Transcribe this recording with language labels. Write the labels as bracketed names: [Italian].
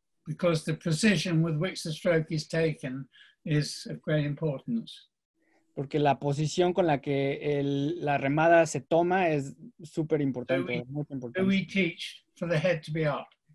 [English] Because the precision with which the stroke is taken is of great importance. [Spanish] Porque la posición con la que la remada se toma es súper importante, muy importante. [English] Do we teach for the head to be up?